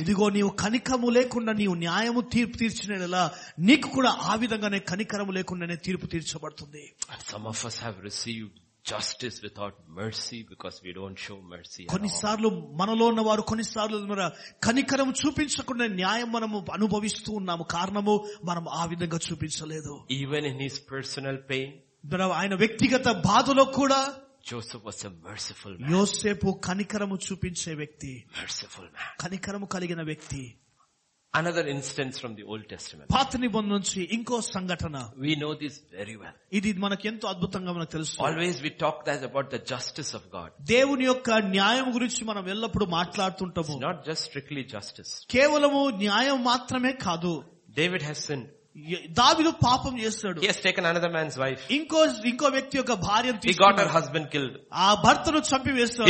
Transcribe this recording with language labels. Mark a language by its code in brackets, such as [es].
[te] ఇదిగో నీవు కనికరము లేకుండా నీవు న్యాయము తీర్పు తీర్చినట్లయితే నీకు కూడా ఆ విధంగానే కనికరము లేకుండానే తీర్పు తీర్చబడుతుంది. [en] And some of us have received justice without mercy because we don't show mercy. [te] కొన్ని సార్లు మనలో ఉన్న వారు కొన్నిసార్లు కనికరం చూపించకుండా న్యాయం మనము అనుభవిస్తూ ఉన్నాము. కారణము మనం ఆ విధంగా చూపించలేదు. [en] even in his personal pain, [te] మన ఆయన వ్యక్తిగత బాధలో కూడా [en] Joseph was a merciful man. [te] యోసేపు కనికరము చూపించే వ్యక్తి. [en] Merciful man. [te] కనికరము కలిగిన వ్యక్తి. [en] Another instance from the Old Testament. [te] పాతని బొన్నుంచి ఇంకో సంఘటన. [en] We know this very well. [te] ఇది మనకు ఎంతో అద్భుతంగా మనకు తెలుసు. [en] Always we talk that about the justice of God. [te] దేవుని యొక్క న్యాయం గురించి మనం ఎల్లప్పుడూ మాట్లాడుతుంటాము. [en] It's not just strictly justice. [te] కేవలము న్యాయం మాత్రమే కాదు. [en] David has sinned. [te] దావీదు పాపం చేస్తాడు. [en] He has taken another man's wife. [te] ఇంకో వ్యక్తి యొక్క భార్యను తీసుకు. [en] He got her husband killed. [te] ఆ భర్తను చంపివేస్తాడు.